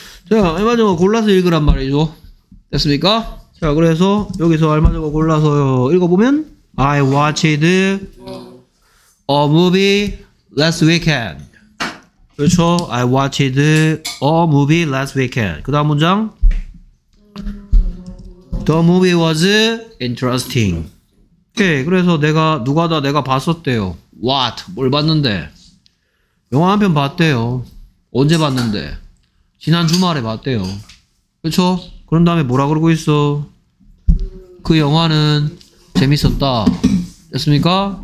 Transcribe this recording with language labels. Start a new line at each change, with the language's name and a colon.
Korean: 자, 얼마 전에 골라서 읽으란 말이죠. 됐습니까? 자, 그래서 여기서 얼마 전에 골라서 읽어보면
English: I watched a movie last weekend.
Korean: 그렇죠?
English: I watched a movie last weekend.
Korean: 그 다음 문장
English: The movie was interesting.
Korean: 오케이, 그래서 내가 누가 다 내가 봤었대요. What? 뭘 봤는데? 영화 한 편 봤대요. 언제 봤는데? 지난 주말에 봤대요. 그렇죠? 그런 다음에 뭐라 그러고 있어? 그 영화는 재밌었다. 됐습니까?